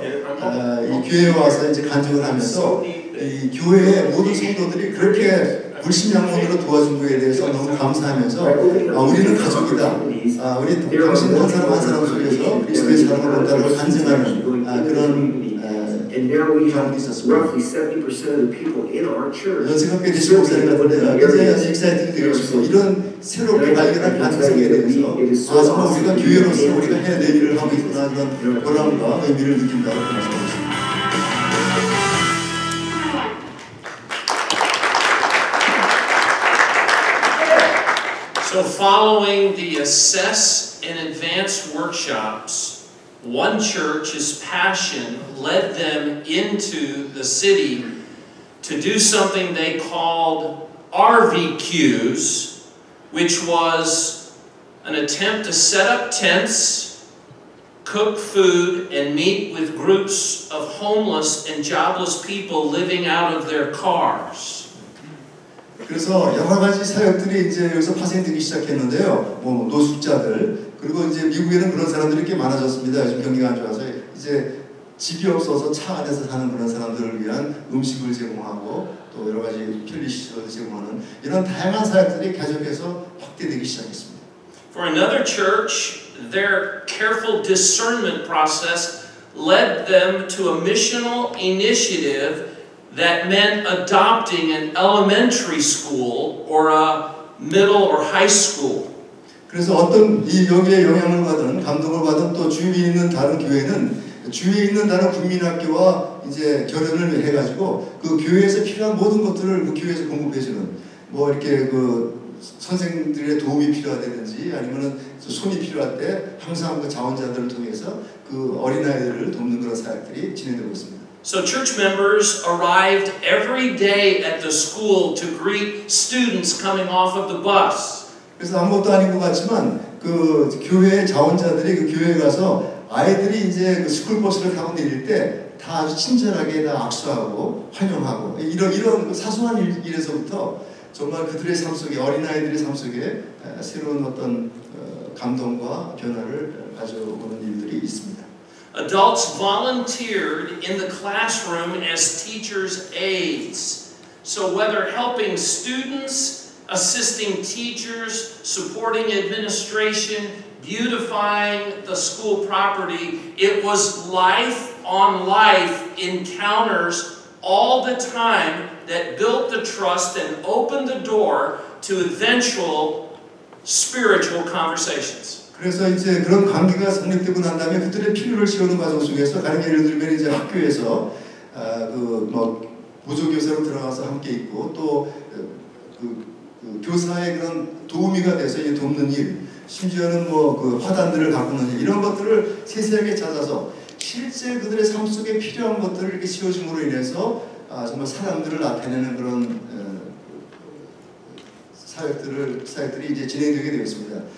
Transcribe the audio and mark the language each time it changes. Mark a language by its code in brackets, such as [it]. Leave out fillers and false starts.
[ko] 이 교회에 와서 이제 간증을 하면서 이 교회의 모든 성도들이 그렇게 불신양론으로 도와준 것에 대해서 너무 감사하면서, 아, 우리는 가족이다. 아, 우리 당신 한 사람 한 사람 속에서 그리스도의 사랑을 본다고 간증하는, 아, 그런 [en] And now we have roughly 70% of the people in our church. I think that is so exciting to hear. It is so awesome. It is so So following the assess and advance workshops, one church's passion led them into the city to do something they called RVQs, which was an attempt to set up tents, cook food, and meet with groups of homeless and jobless people living out of their cars. [ko] 그래서 여러 가지 사역들이 이제 여기서 파생되기 시작했는데요. 뭐 노숙자들, 그리고 이제 미국에는 그런 사람들이 꽤 많아졌습니다. 요즘 경기가 안 좋아서 이제 집이 없어서 차 안에서 사는 그런 사람들을 위한 음식을 제공하고 또 여러 가지 편리시설을 제공하는 이런 다양한 사역들이 계속해서 확대되기 시작했습니다. [en] For another church, their careful discernment process led them to a missional initiative that meant adopting an elementary school or a middle or high school. [ko] 그래서 어떤 이 여기에 영향을 받은, 감동을 받은 또 주위에 있는 다른 교회는 주위에 있는 다른 국민학교와 이제 결연을 해가지고 그 교회에서 필요한 모든 것들을 그 교회에서 공급해주는, 뭐 이렇게 그 선생들의 도움이 필요하다든지 아니면은 손이 필요할 때 항상 그 자원자들을 통해서 그 어린아이들을 돕는 그런 사역들이 진행되고 있습니다. [en] So church members arrived every day at the school to greet students coming off of the bus. [ko] 그래서 아무것도 아닌 것 같지만 그 교회의 자원자들이 그 교회에 가서 아이들이 이제 그 스쿨버스를 타고 내릴 때 다 아주 친절하게 다 악수하고 환영하고 이런 사소한 일에서부터 정말 그들의 삶 속에 어린아이들의 삶 속에 새로운 어떤 감동과 변화를 가져오는 일들이 있습니다. [en] Adults volunteered in the classroom as teachers' aides. So whether helping students, assisting teachers, supporting administration, beautifying the school property, it was life on life encounters all the time that built the trust and opened the door to eventual spiritual conversations. [ko] 그래서 이제 그런 관계가 성립되고 난 다음에 그들의 필요를 채우는 과정 속에서 가령 예를 들면 이제 학교에서 그 뭐 보조교사로 들어가서 함께 있고 또 그 교사의 그런 도우미가 돼서 이제 돕는 일, 심지어는 뭐 그 화단들을 가꾸는 일, 이런 것들을 세세하게 찾아서 실제 그들의 삶 속에 필요한 것들을 이렇게 채워줌으로 인해서 정말 사람들을 나타내는 그런 사역들이 이제 진행되게 되었습니다.